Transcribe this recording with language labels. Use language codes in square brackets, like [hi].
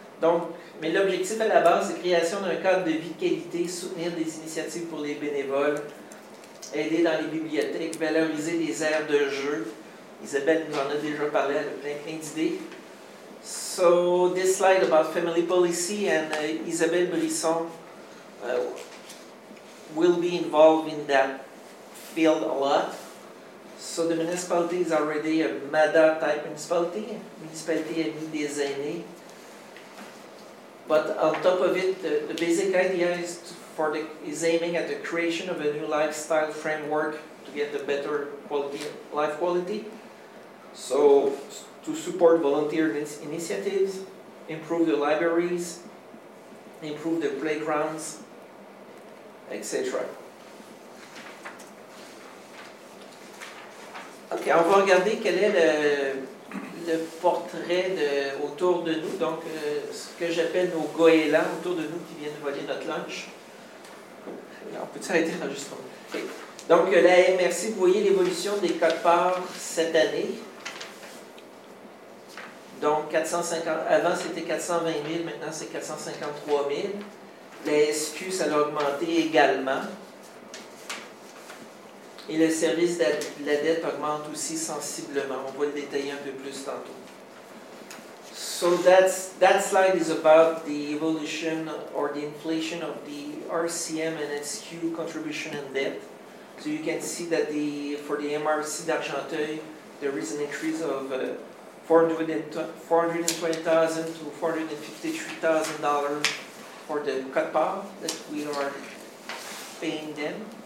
[fr] Donc, mais l'objectif à la base, c'est la création d'un cadre de vie de qualité, soutenir des initiatives pour les bénévoles, aider dans les bibliothèques, valoriser les aires de jeu. Isabelle nous en a déjà parlé, elle a plein d'idées. [en] So, this slide about family policy and Isabelle Brisson will be involved in that. Field a lot. So the municipality is already a MADA type municipality, municipality ami des aînés. But on top of it, the basic idea is aiming at the creation of a new lifestyle framework to get a better quality life quality. So to support volunteer initiatives, improve the libraries, improve the playgrounds, etc. [fr] OK, on va regarder quel est le portrait autour de nous, donc ce que j'appelle nos goélands autour de nous qui viennent voler notre lunch. On peut s'arrêter là juste. Okay. Donc, la MRC, vous voyez l'évolution des quote-parts cette année. Donc, avant c'était 420 000, maintenant c'est 453 000. La SQ, ça a augmenté également. Et le service de la dette augmente aussi sensiblement. On va le détailler un peu plus tantôt. [en] So that slide is about the evolution or the inflation of the RCM and SQ contribution and debt. So you can see that for the MRC d'Argenteuil, there is an increase of $420,000 to $453,000 for the quote-part that we are paying them.